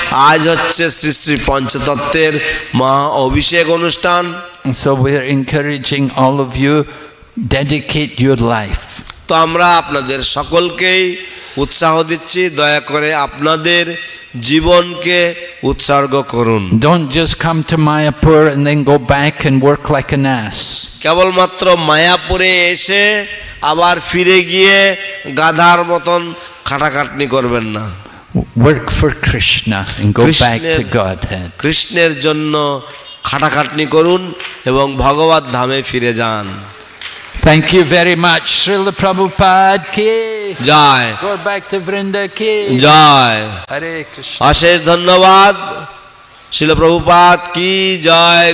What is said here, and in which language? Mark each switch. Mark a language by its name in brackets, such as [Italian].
[Bangla] আজ হচ্ছে শ্রী শ্রী পঞ্চতত্ত্বের মহা অভিষেক অনুষ্ঠান। [English] So we are encouraging all of you, dedicate your life. [Bangla] তো আমরা আপনাদের সকলকেই উৎসাহ দিচ্ছি, দয়া করে আপনাদের জীবনকে উৎসর্গ করুন। [English] Don't just come to Mayapur and then go back and work like an ass. [Bangla] কেবলমাত্র মায়াপুরে এসে আবার ফিরে গিয়ে গাধার মতন খাটাখাটনি করবেন না। [English] Work for Krishna and go back to Godhead. [Bangla] কৃষ্ণের জন্য খাটাখাটনি করুন এবং ভগবত ধামে ফিরে যান। [English] Thank you very much. Srila Prabhupada ki. Jai. Go back to Vrinda ki. Jai. Hare Krishna. [Bangla] Ashesh dhanyabad. Srila Prabhupada ki jai.